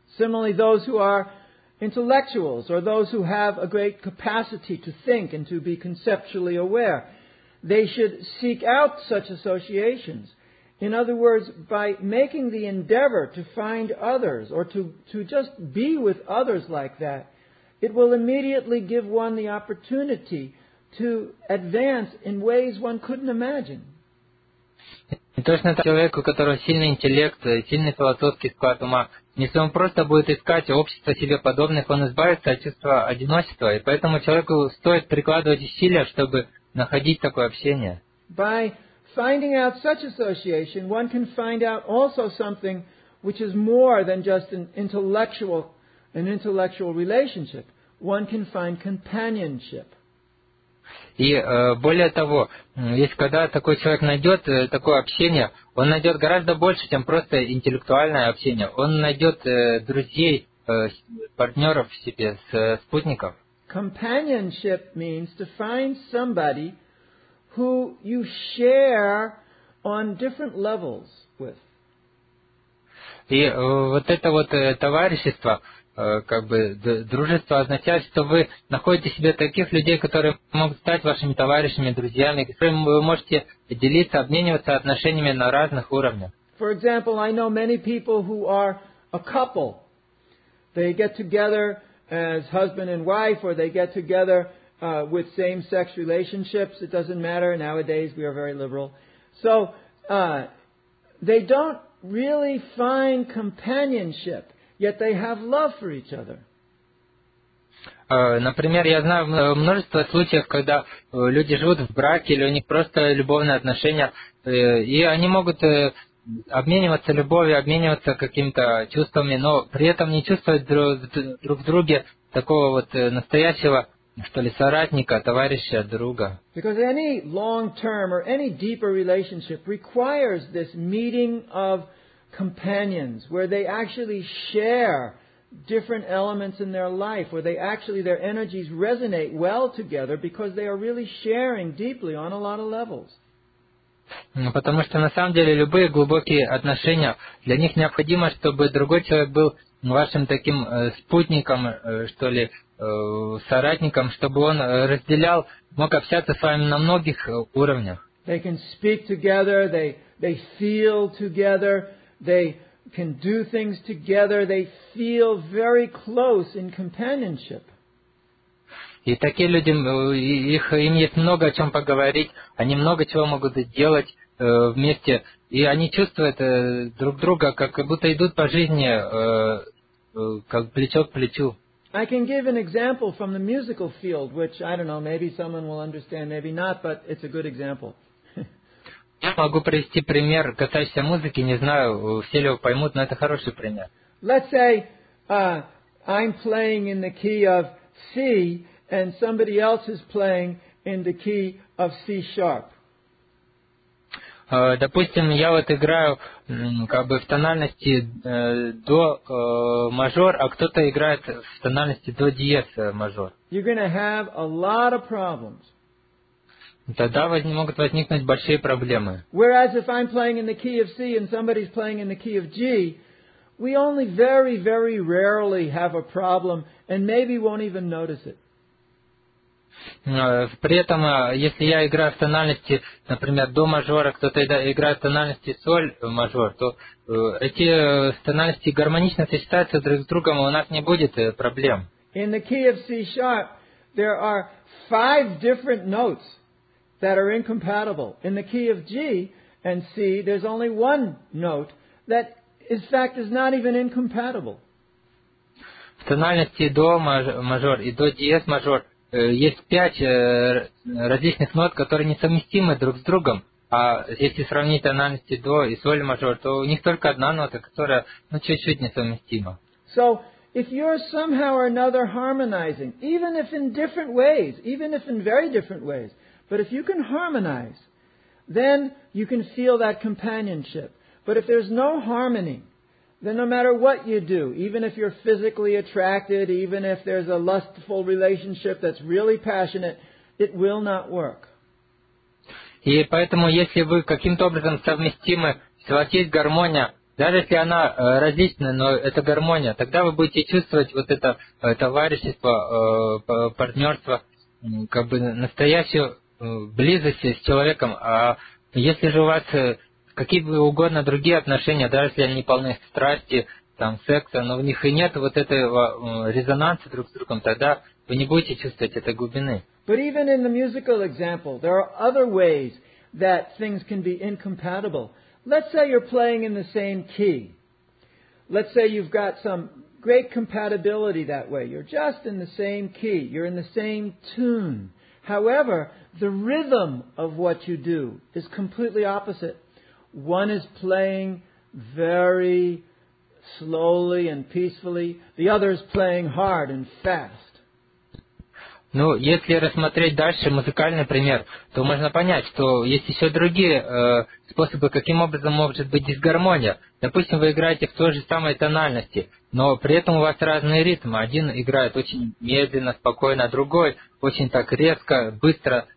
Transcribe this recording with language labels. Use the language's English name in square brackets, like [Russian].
[English] Similarly, those who are intellectuals or those who have a great capacity to think and to be conceptually aware, they should seek out such associations. In other words, by making the endeavor to find others or to just be with others like that, it will immediately give one the opportunity to advance in ways one couldn't imagine. [Russian] И точно так, человеку, у которого сильный интеллект, сильный философский склад ума, если он просто будет искать общество себе подобных, он избавится от чувства одиночества. И поэтому человеку стоит прикладывать усилия, чтобы находить такое общение. [English] By finding out such association, one can find out also something which is more than just an intellectual relationship. One can find companionship. [Russian] И более того, если когда такой человек найдет такое общение, он найдет гораздо больше, чем просто интеллектуальное общение. Он найдет друзей, партнеров в себе, спутников. [English] Companionship means to find somebody who you share on different levels with. [Russian] И вот это вот товарищество, как бы дружество означает, что вы находите себе таких людей, которые могут стать вашими товарищами, друзьями, с которыми вы можете делиться, обмениваться отношениями на разных уровнях. [English] For example, I know many people who are a couple. They get together as husband and wife, or they get together with same-sex relationships. It doesn't matter. Nowadays, we are very liberal. So, they don't really find companionship, yet they have love for each other. [Russian] Например, я знаю множество случаев, когда люди живут в браке, или у них просто любовные отношения, и они могут обмениваться любовью, обмениваться какими-то чувствами, но при этом не чувствовать друг в друге такого вот настоящего, что ли, соратника, товарища, друга. [English] Because any long-term or any deeper relationship requires this meeting of companions, where they actually share different elements in their life, where they actually, their energies resonate well together because they are really sharing deeply on a lot of levels. [Russian] Потому что на самом деле любые глубокие отношения, для них необходимо, чтобы другой человек был вашим таким спутником, что ли, соратником, чтобы он разделял, мог общаться с вами на многих уровнях. [English] They can speak together, they feel together, they can do things together, they feel very close in companionship. [Russian] И такие люди, им есть много о чем поговорить, они много чего могут делать вместе, и они чувствуют друг друга, как будто идут по жизни, как плечо к плечу. [English] I can give an example from the musical field, which, I don't know, maybe someone will understand, maybe not, but it's a good example. [Russian] Я могу привести пример, касающийся музыки, не знаю, все ли его поймут, но это хороший пример. [English] Let's say I'm playing in the key of C, and somebody else is playing in the key of C sharp. [Russian] Допустим, я вот играю как бы в тональности до мажор, а кто-то играет в тональности до диез мажор. [English] You're going to have a lot of problems. [Russian] Тогда могут возникнуть большие проблемы. [English] Whereas if I'm playing in the key of C and somebody's playing in the key of G, we only very, very rarely have a problem and maybe won't even notice it. [Russian] При этом, если я играю в тональности, например, до мажора, кто-то играет в тональности соль мажор, то эти тональности гармонично сочетаются друг с другом, и у нас не будет проблем. [English] In the key of C sharp, there are five different notes that are incompatible. In the key of G and C, there's only one note that, in fact, is not even incompatible. [Russian] В тональности до мажор и до диез мажор есть пять различных нот, которые несовместимы друг с другом. А если сравнить тональности до и соль мажор, то у них только одна нота, которая, ну, чуть-чуть несовместима. [English] So, if you're somehow or another harmonizing, even if in different ways, even if in very different ways, but if you can harmonize, then you can feel that companionship. But if there's no harmony, then no matter what you do, even if you're physically attracted, even if there's a lustful relationship that's really passionate, it will not work. [Russian] И поэтому, если вы каким-то образом совместимы, если у вас есть гармония, даже если она различная, но это гармония, тогда вы будете чувствовать вот это товарищество, партнерство, как бы настоящую близость с человеком. А если же у вас какие бы угодно другие отношения, даже если они полны страсти, там, секса, но в них и нет вот этого резонанса друг с другом, тогда вы не будете чувствовать этой глубины. [English] But even in the musical example, there are other ways that things can be incompatible. Let's say you're playing in the same key. Let's say you've got some great compatibility that way. You're just in the same key. You're in the same tune. However, the rhythm of what you do is completely opposite. One is playing very slowly and peacefully, the other is playing hard and fast. [Russian] Ну, если рассмотреть дальше музыкальный пример, то можно понять, что есть еще другие способы, каким образом может быть дисгармония. Допустим, вы играете в той же самой тональности, но при этом у вас разные ритмы. Один играет очень медленно, спокойно, а другой очень так резко, быстро.